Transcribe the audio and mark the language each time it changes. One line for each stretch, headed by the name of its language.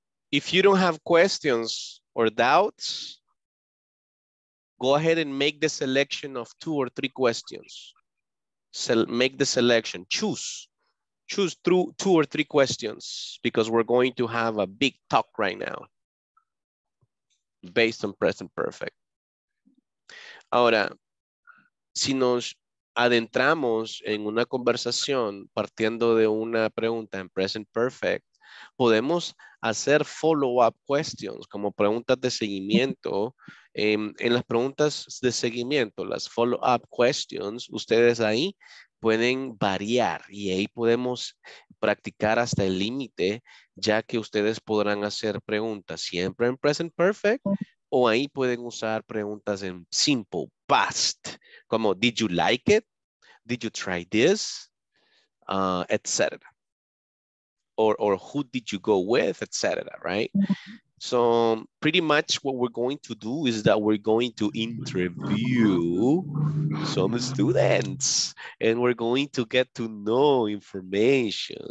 English: If you don't have questions or doubts, go ahead and make the selection of 2 or 3 questions. So make the selection, choose through 2 or 3 questions, because we're going to have a big talk right now based on present perfect.
Spanish: Ahora, si nos adentramos en una conversación partiendo de una pregunta en present perfect, podemos hacer
English: follow-up questions,
Spanish: como preguntas de seguimiento. En las preguntas de seguimiento, las
English: follow-up questions,
Spanish: ustedes ahí pueden variar y ahí podemos practicar hasta el límite, ya que ustedes podrán hacer preguntas siempre en present perfect o ahí pueden usar preguntas en simple past, como
English: did you like it? Did you try this? Etc. Or who did you go with, et cetera, right? So pretty much what we're going to do is that we're going to interview some students and we're going to get to know information.